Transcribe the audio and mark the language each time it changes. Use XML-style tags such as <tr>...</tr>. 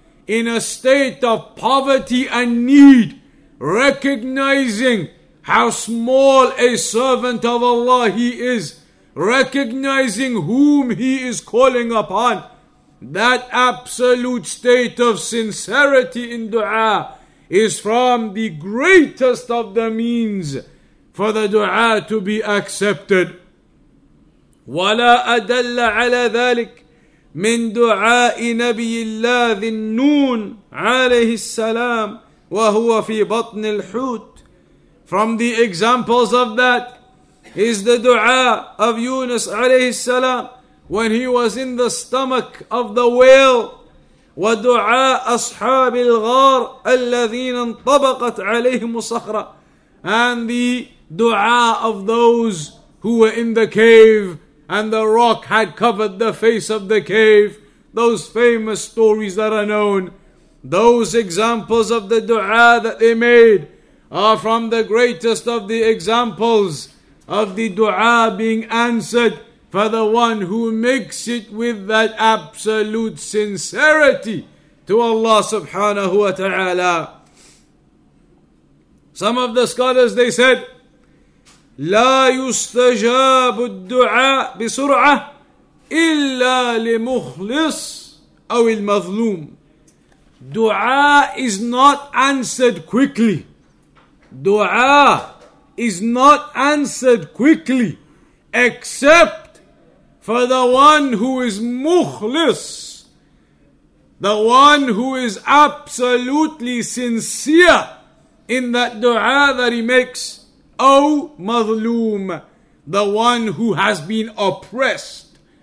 <en>in a state of poverty and need, recognizing how small a servant of Allah he is, recognizing whom he is calling upon, that absolute state of sincerity in dua is from the greatest of the means for the dua to be accepted.</en> <ar>وَلَا أَدَلَّ عَلَى ذَلِكَ من دعاء نبي الله ذي النون عليه السلام وهو في بطن الحوت.</ar> <en>From the examples of that is the dua of Yunus alayhi salam when he was in the stomach of the whale.</en> <ar>وَدُعَاءَ أَصْحَابِ الْغَارِ الَّذِينَ انْطَبَقَتْ عَلَيْهِمُ الصَّخْرَةُ.</ar> <en>And the dua of those who were in the cave and the rock had covered the face of the cave. Those famous stories that are known. Those examples of the dua that they made are from the greatest of the examples of the dua being answered for the one who makes it with that absolute sincerity to Allah subhanahu wa ta'ala. Some of the scholars, they said,</en> <ar>لا يستجاب الدعاء بسرعة إلا لمخلص أو المظلوم.</ar> <en>Dua is not answered quickly. Dua is not answered quickly except for the one who is mukhlis, the one who is absolutely sincere in that dua that he makes,</en> <ar>أو مظلوم,</ar> <en>the one who has been oppressed.</en>